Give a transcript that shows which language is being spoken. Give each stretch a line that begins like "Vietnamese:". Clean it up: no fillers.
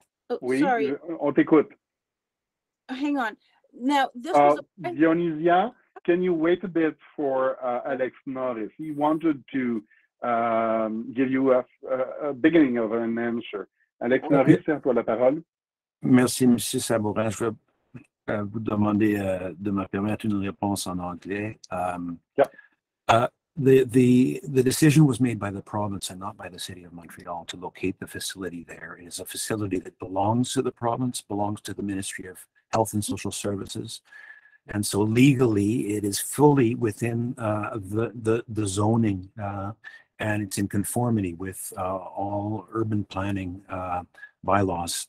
French: on t'écoute.
English: Hang on. Now, this was Dionysia, can you wait a bit for Alex Norris? He wanted to give you a beginning of an answer.
French: Alex Norris, c'est à toi la parole. Merci, M. Sabourin. Je vais vous demander de me permettre une réponse en anglais.
English: The decision was made by the province and not by the city of Montreal to locate the facility there. It is a facility that belongs to the province, belongs to the Ministry of Health and Social Services. And so legally, it is fully within the zoning and it's in conformity with all urban planning bylaws.